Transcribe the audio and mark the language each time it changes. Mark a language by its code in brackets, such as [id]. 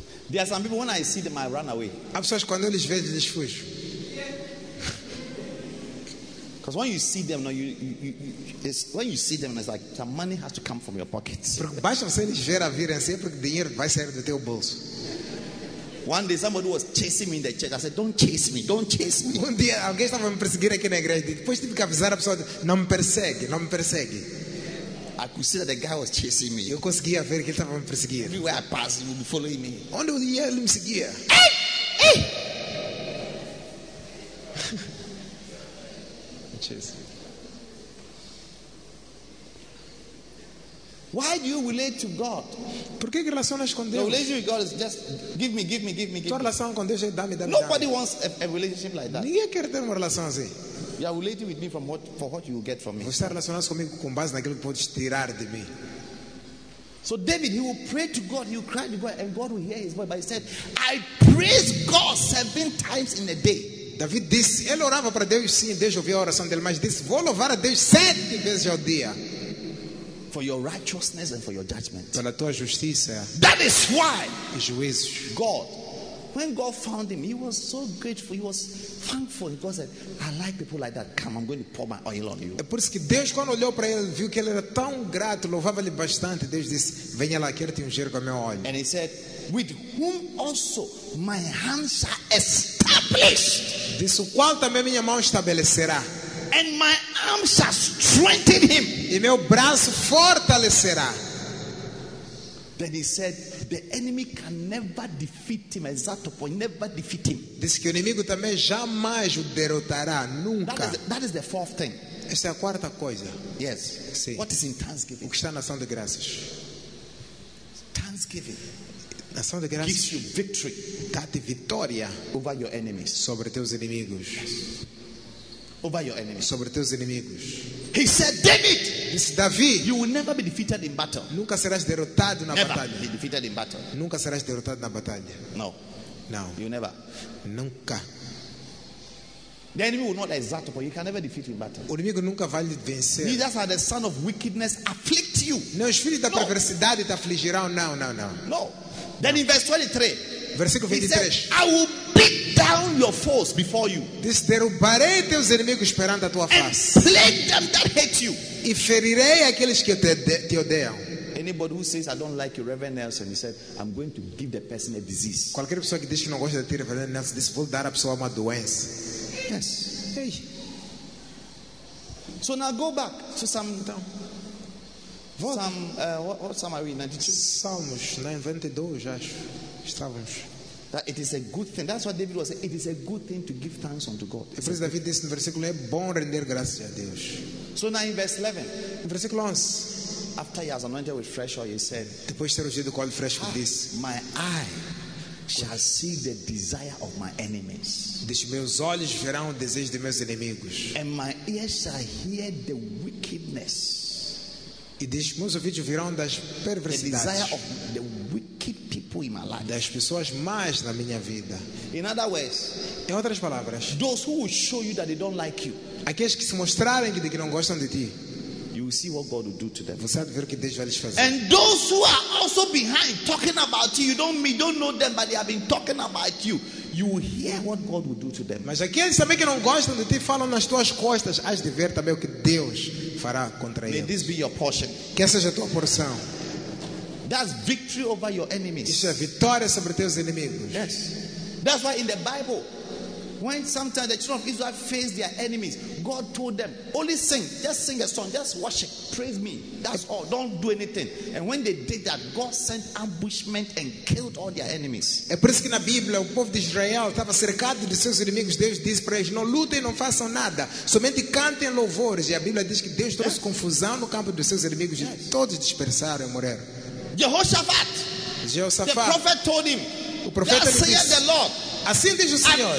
[en] There are some people when I see them I run away. [pt] Há pessoas quando eu lhes vejo eles fujo. [en] Because when you see them, it's like some money has to come from your pockets. [pt] Porque basta você lhes ver a vir assim porque dinheiro vai sair do teu bolso. [en] One day somebody was chasing me in the church. I said, "Don't chase me, don't chase me." [pt] Um dia alguém estava me perseguindo aqui na igreja. Depois tive que avisar a pessoa: "Não me persegue, não me persegue." [en] I could see that the guy was chasing me. [pt] Eu conseguia ver que ele estava me perseguindo. [en] Everywhere I passed, he would be following me. [pt] Onde ia ele me seguia? [en] Chase me. Why do you relate to God? [pt] Por que relacionas com Deus? [en] The relationship with God is just give me. [pt] Tua relação com Deus é dá-me. [en] Nobody wants a relationship like that. [pt] Ninguém quer ter uma relação assim. [en] You are relating with me from what, for what you will get from me. [pt] Você está relacionado comigo com base naquilo que podes tirar de mim. [en] So David, he will pray to God, he will cry to God, and God will hear his voice. But he said, I praise God 7 times in a day. [pt] David disse, ele orava para Deus, sim, Deus ouviu a oração dele, mas disse, vou louvar a Deus 7 vezes ao dia. [en] For your righteousness and for your judgment. [pt] Pela tua justiça. [en] That is why. [pt] Juízo. [en] God, when God found him, he was so grateful. He was thankful. God said, "I like people like that. Come, I'm going to pour my oil on you." [pt] É por isso que Deus quando olhou para ele viu que ele era tão grato, louvava-lhe bastante. Deus disse, "Venha lá, quero te ungir com meu óleo." [en] And he said, "With whom also my hands are established." [pt] Disse o qual também minha mão estabelecerá. [en] And my arms shall strengthen him. [pt] E meu braço fortalecerá. [en] Then he said, the enemy can never defeat him. [pt] Exato, [en] point, never defeat him. [pt] Diz que o inimigo também jamais o derrotará, nunca. [en] That is the fourth thing. [pt] Essa é a quarta coisa. [en] Yes. [pt] Sim. [en] What is in thanksgiving? [pt] O que está na ação de graças. [en] Thanksgiving. [pt] Na ação de graças. [en] Gives you victory. [pt] Dá-te vitória. [en] Over your enemies. [pt] Sobre teus inimigos. [en] Yes. Over your enemies. [pt] Sobre teus inimigos. [en] He said, David. [pt] Disse Davi. [en] You will never be defeated in battle. [pt] Nunca serás derrotado na [en] never [pt] batalha. [en] Never be defeated in battle. [pt] Nunca serás derrotado na batalha. [en] No. [pt] Não. [en] You never. [pt] Nunca. [en] The enemy will not exalt upon you. You can never defeat him in battle. [pt] O inimigo nunca vai lhe vencer. [en] Neither shall the son of wickedness afflict you. [pt] Não, os filhos da perversidade te afligirão. Não, não, não. [en] No. Then in verse 23. [pt] Versículo 23. [en] He said, I will beat down your foes before you. [pt] Diz, derrubarei teus inimigos perante a tua face. [en] And slay them that hate you. [pt] E ferirei aqueles que te odeiam. [en] Anybody who says I don't like you, Reverend Nelson, he said, I'm going to give the person a disease. [pt] Qualquer pessoa que diz que não gosta de ti, Reverend Nelson, diz, vou dar à pessoa uma doença. [en] Yes. Hey. So now go back to some town. What Psalm are we in? 92? [pt] Psalms 92, acho. Estávamos. [en] That it is a good thing. That's what David was saying. It is a good thing to give thanks unto God. [pt] E por isso David disse no versículo, é bom render graças a Deus. [en] So now in verse 11. [pt] Em versículo 11. [en] After he has anointed with fresh oil, he said. [pt] Depois de ter ungido com óleo fresco, disse. [en] My eye shall see the desire of my enemies. [pt] Diz, meus olhos verão o desejo de meus inimigos. [en] And my ears shall hear the wickedness. [pt] E diz, meus ouvidos virão das perversidades. [en] The desire of the wicked people in my life. [pt] Das pessoas más na minha vida. [en] In other words, [pt] em outras palavras, [en] those who will show you that they don't like you, [pt] aqueles que se mostrarem que não gostam de ti, [en] you will see what God will do to them. [pt] Você vai ver o que Deus vai lhes fazer. [en] And those who are also behind talking about you, you don't know them, but they have been talking about you. you will hear what God will do to them. [pt] Mas aqueles também que não gostam de ti falam nas tuas costas, hás de ver também o que Deus fará contra eles. [en] May this be your portion. [pt] Que essa seja a tua porção. [en] That's victory over your enemies. [pt] Isso é vitória sobre teus inimigos. [en] Yes. That's why in the Bible, when sometimes the children of Israel face their enemies, God told them, only sing, just sing a song, just worship, praise me, that's all, don't do anything. And when they did that, God sent ambushment and killed all their enemies. [pt] É por isso que na Bíblia o povo de Israel estava cercado de seus inimigos. Deus disse para eles, não lutem, não façam nada, somente cantem louvores. E a Bíblia diz que Deus trouxe confusão no campo dos seus inimigos, e todos dispersaram e morreram. [en] Jehoshaphat, [pt] Jehoshaphat, [en] the prophet told him, [pt] o profeta lhe disse, assim diz o Senhor,